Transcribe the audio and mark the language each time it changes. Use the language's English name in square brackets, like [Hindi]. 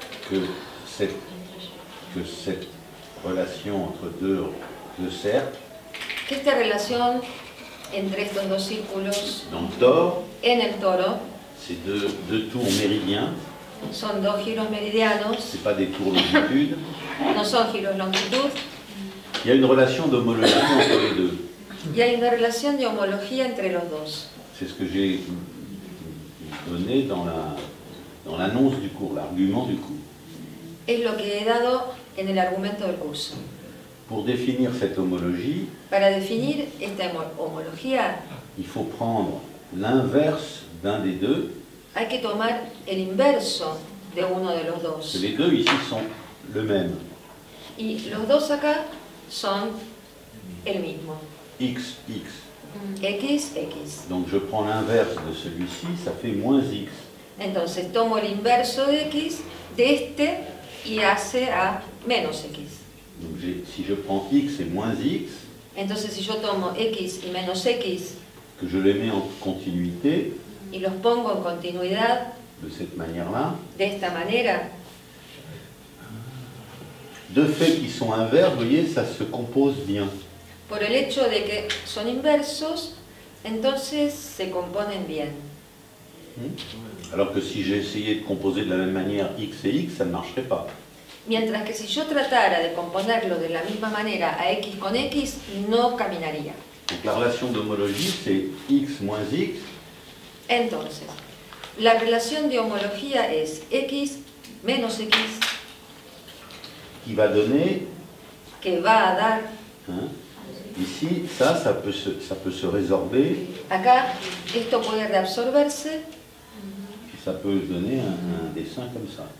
[French] Que cette relation entre deux cercles. [Spanish] Que esta relación entre estos dos círculos. [French] Dans le tore. [Spanish] En el toro. [French] C'est deux tours méridiens. [Spanish] Son dos giros meridianos. [French] C'est pas des tours longitude. [Spanish] No son giros longitud. [French] Il y a une relation d'homologie entre les deux. [Spanish] Y hay una relación de homología entre los dos. [French] C'est ce que j'ai donné dans la dans l'annonce du cours, l'argument du cours. [Spanish] Es lo que he dado en el argumento del curso. [French] Pour définir cette homologie. [Spanish] Para definir esta homología. [French] Il faut prendre l'inverse d'un des deux. [Spanish] Hay que tomar el inverso de uno de los dos. [French] Les deux ici sont le même. [Spanish] Y los dos acá son el mismo. [French] X, X. [Spanish] X, X. [French] Donc je prends l'inverse de celui-ci, ça fait moins X. [Spanish] Entonces tomo el inverso de X de este y hace a menos X. [French] Donc si je prends X et moins X. [Spanish] Entonces si yo tomo X y menos X. [French] Que je les mets en continuité. [Spanish] Y los pongo en continuidad. [French] De cette manière-là. [Spanish] De esta manera. [French] Deux faits qui sont inverses, vous voyez, ça se compose bien. [Spanish] Por el hecho de que son inversos, entonces se componen bien. [French] Alors que si j'essayais de composer de la même manière x et x, ça ne marcherait pas. [Spanish] Mientras que si yo tratara de componerlo de la misma manera a x con x, no caminaría. [French] Donc la relation d'homologie, c'est x moins x. [Spanish] Entonces, la relación de homología es x menos x. [French] Qui va donner. [Spanish] Que va a dar. [French] Ici, ça peut se résorber. [Spanish] Acá, esto puede reabsorberse. [French] Et ça peut donner un dessin comme ça.